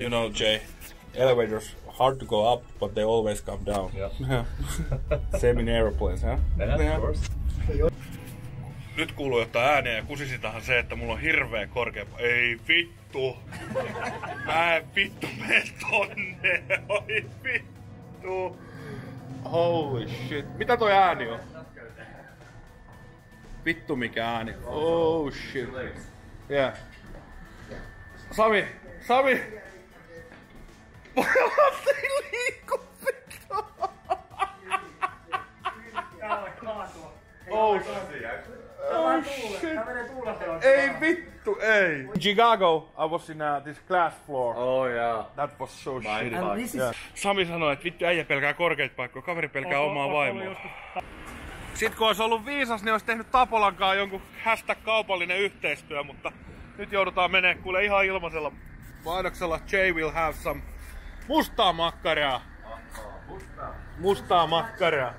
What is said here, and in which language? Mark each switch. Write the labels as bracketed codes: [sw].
[en] You know, Jay, elevators hard to go up, but they always come down. Yeah. Same in aeroplanes, huh? Yeah, of course. [fi] nyt kuuluu jotain ääniä ja kusisitahan se, että mulla on hirveen korkea. Ei vittu! Mä en vittu mene tonne! Oi vittu! [en] Holy shit! [fi] Mitä toi ääni on? Vittu mikä ääni. [en] Oh shit. Yeah. [fi] Sami! Sami! Voi olla se liikku vittu! [en] Oh shit! [fi] Ei vittu, ei. [en] In Chicago, I was in this glass floor. Oh yeah. That was so shit. [fi] Sami sanoi, että vittu äijä pelkää korkeita paikkoja, kaveri pelkää omaa vaimoa. Sit kun olisi ollut viisas, niin olisi tehnyt Tapolankaan jonkun hashtag kaupallinen yhteistyö, mutta nyt joudutaan menee kuule ihan ilmaisella mainoksella. [en] Jay will have some mustaa makkaraa. Mustaa makkaraa.